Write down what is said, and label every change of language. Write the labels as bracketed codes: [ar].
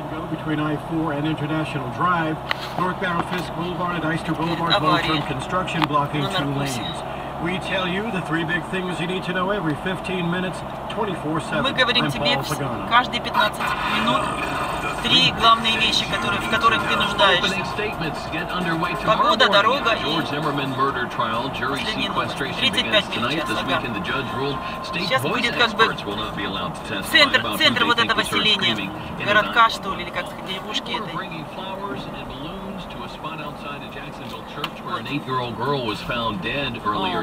[en] Between I-4 and International Drive, northbound Fisk Boulevard and Ister Boulevard, both from construction blocking two lanes. We tell you the three big things you need to know every 15 minutes, 24/7. [ru] Мы говорим тебе каждые 15 минут три главные вещи, в которых ты нуждаешься. Погода, дорога и последний 35 минут. Сейчас будет как бы центр вот этого селения, городка, что ли, или как сказать, деревушки этой. [en] Where an 8-year-old girl was found dead earlier